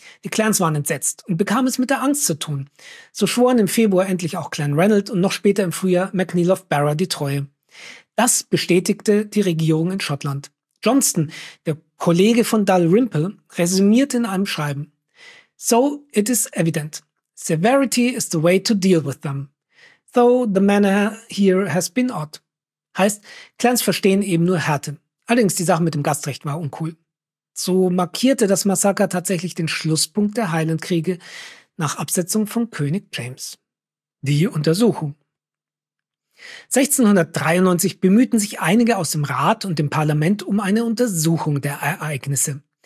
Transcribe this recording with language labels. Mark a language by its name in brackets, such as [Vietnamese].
[German] Die Clans waren entsetzt und bekamen es mit der Angst zu tun. So schworen im Februar endlich auch Clan Reynold und noch später im Frühjahr MacNeil of Barra die Treue. Das bestätigte die Regierung in Schottland. Johnston, der Kollege von Dalrymple, resümierte in einem Schreiben: [English] "So it is evident. Severity is the way to deal with them. Though the manner here has been odd." [German] Heißt, Clans verstehen eben nur Härte. Allerdings, die Sache mit dem Gastrecht war uncool. So markierte das Massaker tatsächlich den Schlusspunkt der Highland-Kriege nach Absetzung von König James. Die Untersuchung. 1693 bemühten sich einige aus dem Rat und dem Parlament um eine Untersuchung der Ereignisse.